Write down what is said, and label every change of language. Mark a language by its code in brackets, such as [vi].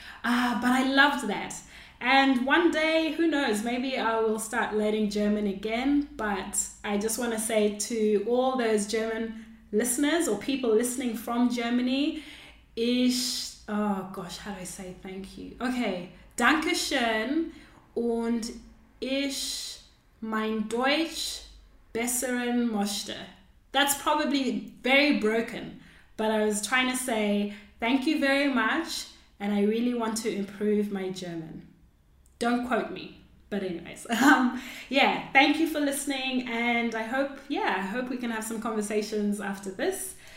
[en] But I loved that. And one day, who knows, maybe I will start learning German again. But I just want to say to all those German listeners or people listening from Germany, how do I say thank you? [de] Okay, danke schön und ich mein Deutsch besseren möchte. [en] That's probably very broken, but I was trying to say thank you very much, and I really want to improve my German. Don't quote me, but anyways, thank you for listening, and I hope we can have some conversations after this.